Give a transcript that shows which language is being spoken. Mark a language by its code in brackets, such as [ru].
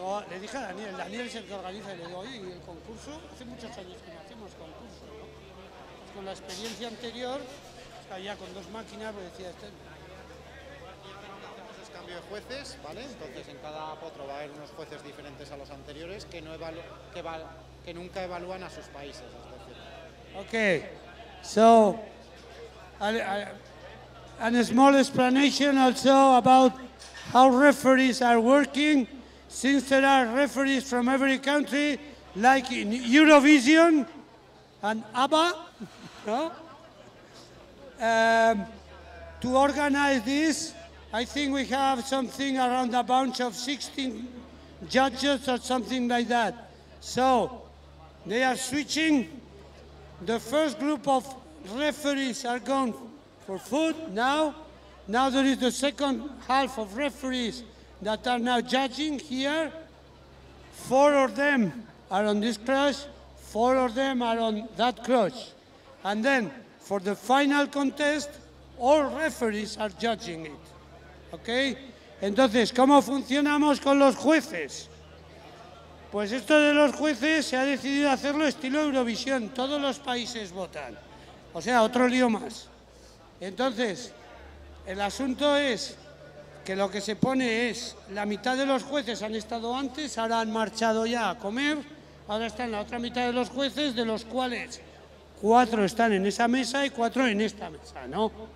[es] Le dije a Daniel es el que organiza, y le digo, oye, ¿y el concurso? Hace muchos años que no hacemos concurso, ¿no? Es con la experiencia anterior, ya con dos máquinas, pues decía este. De jueces, ¿vale? Entonces en cada potro va a haber unos jueces diferentes a los anteriores que no que nunca evalúan a sus países. [en] Okay, so a small explanation also about how referees are working, since there are referees from every country, like in Eurovision and ABBA, no? To organize this. I think we have something around a bunch of 16 judges or something like that. So they are switching. The first group of referees are gone for food now. Now there is the second half of referees that are now judging here. Four of them are on this crush, four of them are on that crush. And then for the final contest, all referees are judging it. [es] ¿Ok? Entonces, ¿cómo funcionamos con los jueces? Pues esto de los jueces se ha decidido hacerlo estilo Eurovisión. Todos los países votan. O sea, otro lío más. Entonces, el asunto es que lo que se pone es la mitad de los jueces han estado antes, ahora han marchado ya a comer, ahora están la otra mitad de los jueces, de los cuales cuatro están en esa mesa y cuatro en esta mesa, ¿no?